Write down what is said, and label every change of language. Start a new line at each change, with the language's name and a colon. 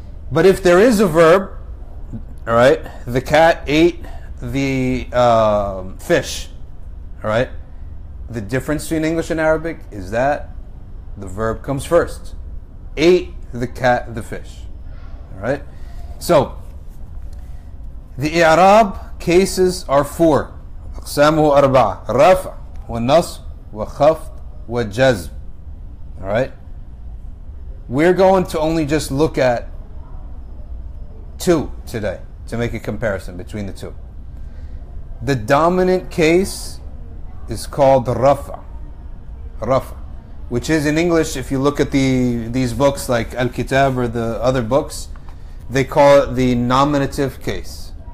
English: But if there is a verb, all right, the cat ate the fish, all right? The difference between English and Arabic is that the verb comes first. Ate the cat the fish, all right? So, the I'rab cases are four.
Arabic: أقسامه أربعة رفع والنصب وخفض والجزم.
English: All right. We're going to only just look at two today to make a comparison between the two. The dominant case is called رفع. رفع, which is in English, if you look at these books like Al-Kitab or the other books, they call it the nominative case.